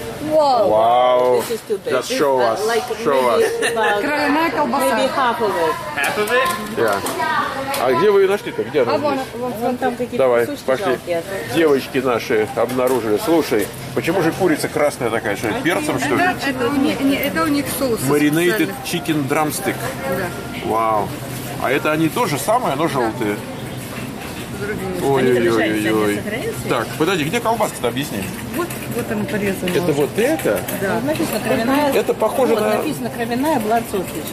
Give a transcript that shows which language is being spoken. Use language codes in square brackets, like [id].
[en] Вау! Wow. Just show us. [ru] Кровяная колбаса. [en] Maybe half of it. Half of it? [ru] Yeah. А где вы ее нашли-то? Где она? А вон там какие-то. Давай, пошли. Девочки наши обнаружили. Слушай, почему же курица красная такая? Что, перцем, что ли? Это у них соус. [en] Marinated chicken drumstick. [ru] Вау. А это они тоже самые, но желтые. Ой-ой-ой-ой. Так, подожди, где колбаска-то, объясни. Вот она порезана. Это вот это? Да. Вот написано кровяная. Это похоже вот, на... Вот написано кровяная [en] blood sausage.